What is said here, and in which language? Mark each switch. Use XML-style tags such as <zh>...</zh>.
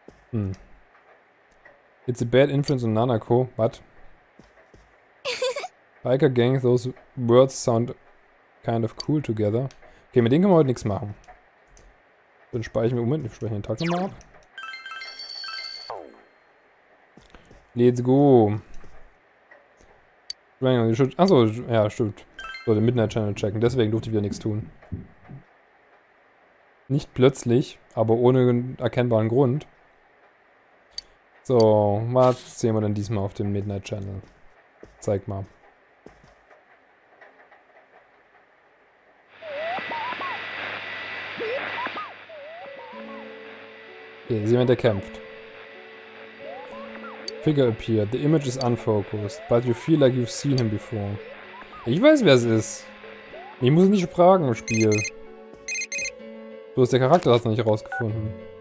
<en>Hmm. It's a bad influence on Nanako, but... Biker Gang, those words sound kind of cool together.</en> <de>Okay, mit denen können wir heute nichts machen. Dann speichern wir Moment, wir speichern den Tag nochmal ab.</de> <en>Let's go.</en> <de>Achso, ja, stimmt. So, den Midnight Channel checken. Deswegen durfte ich wieder nichts tun. Nicht plötzlich, aber ohne erkennbaren Grund. So, was sehen wir denn diesmal auf dem Midnight Channel? Zeig mal. Okay, sieh mal, der kämpft.</de> <en>Figure appeared. The image is unfocused, but you feel like you've seen him before.</en> <de>Ich weiß, wer es ist. Ich muss nicht fragen im Spiel. Bloß der Charakter hat es noch nicht herausgefunden.</de>